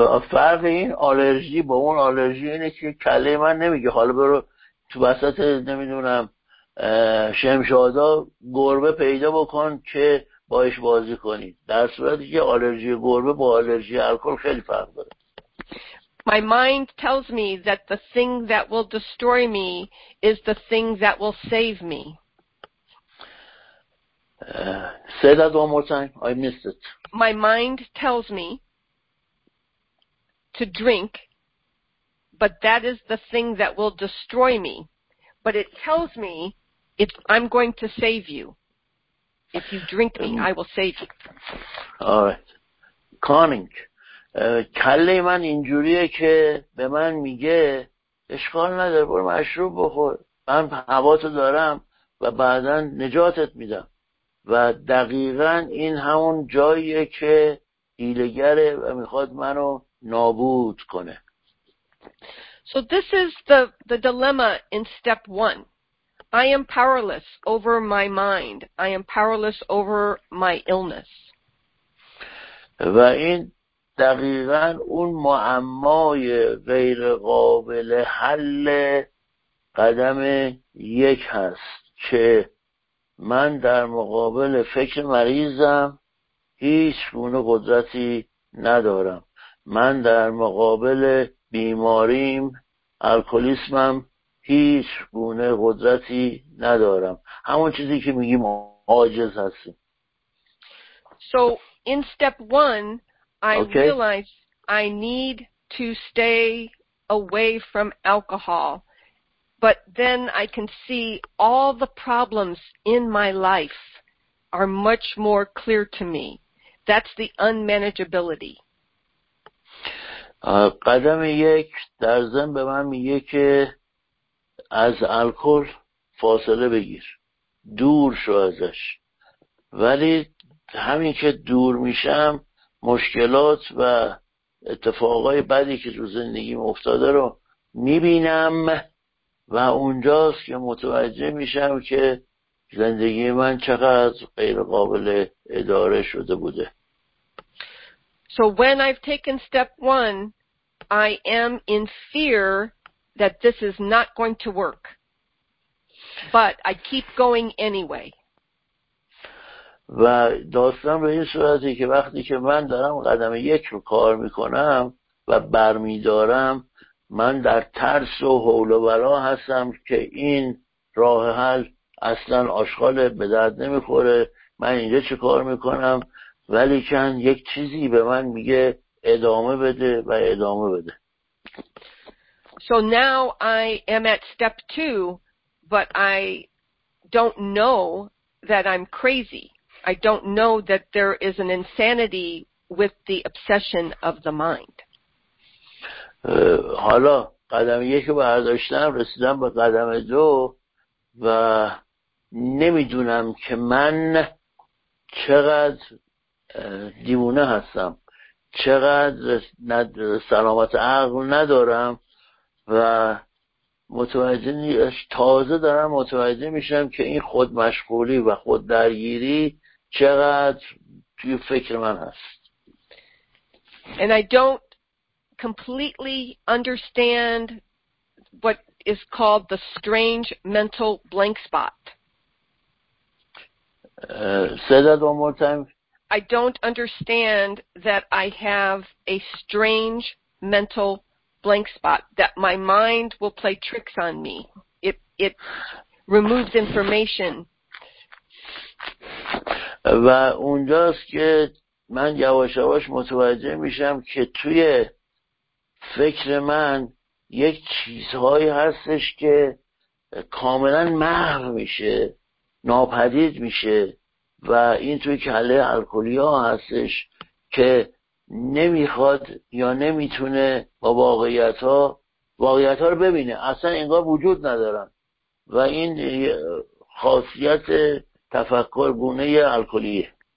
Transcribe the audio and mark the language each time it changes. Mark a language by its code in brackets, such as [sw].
[fa] فرق این آلرژی با اون آلرژی اینه که کله من نمیگه حالا برو تو وسط نمیدونم شمشادا گربه پیدا بکن که باش بازی کنی. در صورتی که آلرژی گربه با آلرژی الکل خیلی فرق داره. [en] My mind tells me that the thing that will destroy me is the thing that will save me. Say that one more time. I missed it. My mind tells me to drink, but that is the thing that will destroy me. But it tells me I'm going to save you. If you drink me, I will save you. All right. Conning. [fa] کله من اینجوریه که به من میگه اشکال نداره برو مشروب بخور، من حواسو دارم و بعدا نجاتت میدم. و دقیقا این همون جاییه که ایلگره و میخواد منو نابود کنه. [en] So this is the dilemma in step one. I am powerless over my mind. I am powerless over my illness. [fa] و این دقیقاً اون معمای غیر قابل حل قدم یک هست که من در مقابل فکر مریضم هیچ گونه قدرتی ندارم، من در مقابل بیماریم الکلیسمم هیچ گونه قدرتی ندارم، همون چیزی که میگیم عاجز هستیم. [en] So in step one I okay. realize I need to stay away from alcohol, but then I can see all the problems in my life are much more clear to me. That's the unmanageability. [fa] قدم یک در ذهن به من میگه که از الکل فاصله بگیر، دور شو ازش. ولی همین که دور میشم مشکلات و اتفاقای بدی که تو زندگیم افتاده رو میبینم و اونجاست که متوجه میشم که زندگی من چقدر غیر قابل اداره شده بوده. [en] So when I've taken step one, I am in fear that this is not going to work. But I keep going anyway. [fa] و داستان به این صورتی که وقتی که من دارم قدم یک رو کار میکنم و برمیدارم، من در ترس و هول و ولا هستم که این راه حل اصلا آشغال به درد نمیخوره، من اینجا چه کار میکنم؟ ولی چند یک چیزی به من میگه ادامه بده و ادامه بده. [en] So now I am at step two, but I don't know that I'm crazy. I don't know that there is an insanity with the obsession of the mind. [fa] حالا قدم یک رو برداشتم، رسیدم به قدم دو و نمیدونم که من چقدر دیوونه هستم، چقدر سلامت عقل ندارم و متوجه نیست. تازه دارم متوجه میشم که این خود مشغولی و خود درگیری چقدر توی فکر من هست. [en] And I don't completely understand what is called the strange mental blank spot. Say that one more time. I don't understand that I have a strange mental blank spot, that my mind will play tricks on me. It removes information. [fa] و اونجاست که من یواش یواش متوجه میشم که توی فکر من یک چیزهایی هستش که کاملا محو میشه، ناپدید میشه و این توی کله الکلی ها هستش که نمیخواد یا نمیتونه با واقعیت ها رو ببینه، اصلا انگار وجود ندارن و این خاصیت تفکر گونه الکلیه.